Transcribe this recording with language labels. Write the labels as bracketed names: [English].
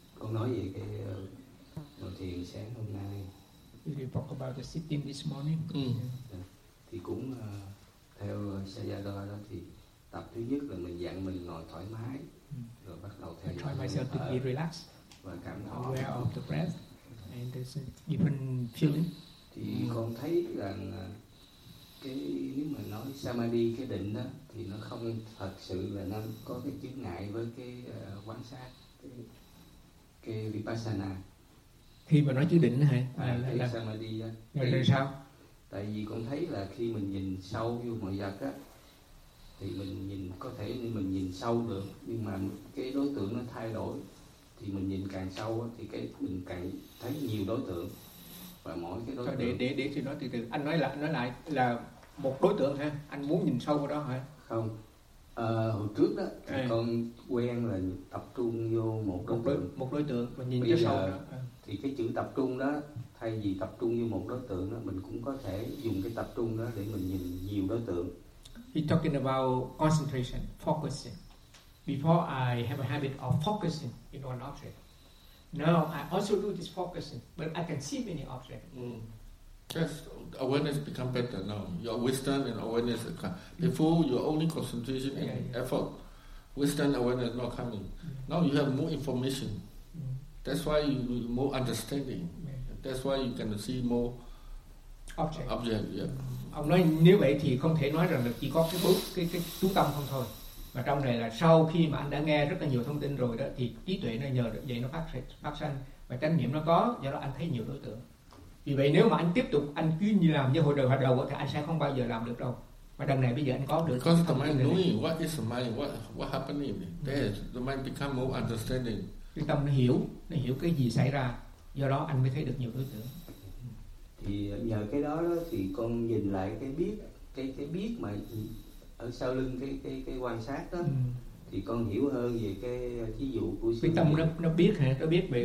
[Vietnamese] Nói về cái ngồi thiền sáng hôm nay. [English] You talk about the sitting this morning. Mm. Yeah. [Vietnamese] Thì cũng theo Sayadaw đó thì tập thứ nhất là mình dặn mình ngồi thoải mái, rồi bắt đầu thiền. [English] Try myself to be relaxed. [Vietnamese] Và cảm thọ. [English] Aware of the breath and there's a different feeling. [Vietnamese] Thì con thấy rằng cái nếu mà nói samadhi cái định đó thì nó không thật sự là nó có cái chướng ngại với cái quan sát. Cái vipassana khi mà nói chữ định hả? Là sao? Tại vì con thấy là khi mình nhìn sâu vô mọi vật á, thì mình nhìn, có thể mình nhìn sâu được, nhưng mà cái đối tượng nó thay đổi, thì mình nhìn càng sâu á, thì cái mình càng thấy nhiều đối tượng. Và mỗi cái đối tượng... Để tôi nói từ từ. Anh nói là, anh nói lại là một đối tượng ha, anh muốn nhìn sâu vào đó hả? Không. À, hồi trước đó thì con quen là tập trung vô một đối tượng mình nhìn cho sâu. Thì cái chữ tập trung đó, thay vì tập trung vô một đối tượng đó, mình cũng có thể dùng cái tập trung đó để mình nhìn nhiều đối tượng. [English] He's talking about concentration, focusing. Before I have a habit of focusing in one object. Now I also do this focusing, but I can see many objects. Mm. Yes, awareness become better now. Your wisdom and awareness are coming. Before, your only concentration and effort, wisdom and awareness not coming. Yeah. Now you have more information. Yeah. That's why you have more understanding. Yeah. That's why you can see more object. Yeah. [Vietnamese] Ông nói nếu vậy thì không thể nói rằng là chỉ có cái chú tâm không thôi. Mà trong này là sau khi mà anh đã nghe rất là nhiều thông tin rồi đó, thì trí tuệ nó nhờ vậy nó phát sanh và chánh niệm nó có, do đó anh thấy nhiều đối tượng. Vì vậy nếu mà anh tiếp tục anh cứ như làm như hồi đầu hoạt động thì anh sẽ không bao giờ làm được đâu. Và đằng này bây giờ anh có được. [English] Because the mind knowing what is the mind, what happening there, the mind become more understanding. [Vietnamese] Cái tâm nó hiểu cái gì xảy ra, do đó anh mới thấy được nhiều đối tượng. Thì nhờ cái đó thì con nhìn lại cái biết mà ở sau lưng cái quan sát đó. Thì con hiểu hơn về cái ví dụ của cái tâm nó biết hả, nó biết về